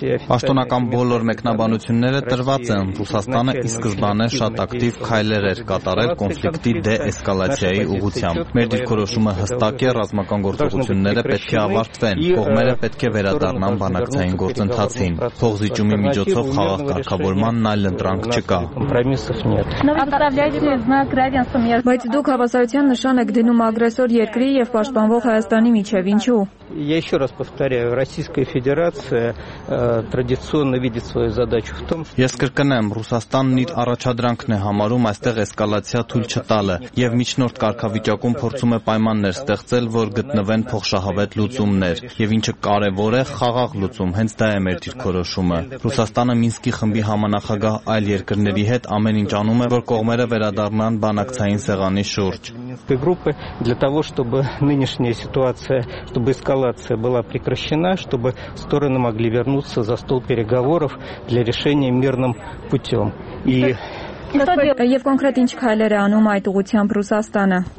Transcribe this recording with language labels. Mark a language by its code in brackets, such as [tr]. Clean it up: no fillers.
[hy] Պաշտոնական բոլոր մեկնաբանությունները տրված են, Ռուսաստանը ի սկզբանե շատ ակտիվ քայլեր էր կատարել կոնֆլիկտի դեէսկալացիայի ուղղությամբ։ Մեր դիրքորոշումը հստակ է, ռազմական գործողությունները պետք է ավարտվեն, կողմերը պետք է վերադառնան բանակցային գործընթացին։ Փոխզիջումի միջոցով խաղաղ կարգավորման այլ ընտրանք չկա։ Բայց դուք հավասարության նշան եք դնում ագրեսոր երկրի և պաշտպանվող Հայաստանի միջև, ինչու՞։ [ru] Ещё раз повторяю, Российская Федерация традиционно видит свою задачу в том, что [hy] Ես կրկնեմ, Ռուսաստանն իր առաջադրանքն է համարում այստեղ էսկալացիա թույլ չտալը եւ միջնորդ կարգավիճակում փորձում է պայմաններ ստեղծել, որ գտնվեն փոխշահավետ լուծումներ, եւ ինչը կարեւոր է, խաղաղ լուծում, հենց դա է մեր դիրքորոշումը։ Ռուսաստանը Մինսկի խմբի համանախագահ այլ երկրների հետ ամեն ինչ անում է, որ կողմերը վերադառնան բանակցային սեղանի շուրջ։ [ru] Эскалация была прекращена, чтобы стороны могли вернуться за стол переговоров для решения мирным путем. И [hy] Եվ կոնկրետ ինչ քայլեր է անում այդ ուղությամբ Ռուսաստանը։